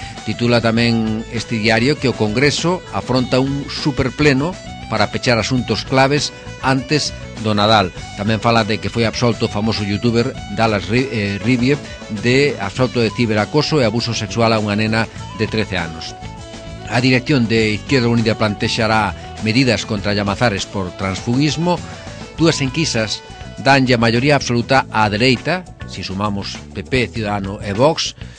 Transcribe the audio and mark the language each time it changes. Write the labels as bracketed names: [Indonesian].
[Galician] Titula tamén este diario que o Congreso afronta un superpleno para pechar asuntos claves antes do Nadal. Tamén fala de que foi absolto o famoso youtuber Dallas Rivier de absolto de ciberacoso e abuso sexual a unha nena de 13 anos. [Spanish] A dirección de Izquierda Unida plantexará medidas contra llamazares por transfugismo. [Galician] Dúas enquisas danlle a maioría absoluta á dereita, se sumamos PP, Ciudadano e Vox.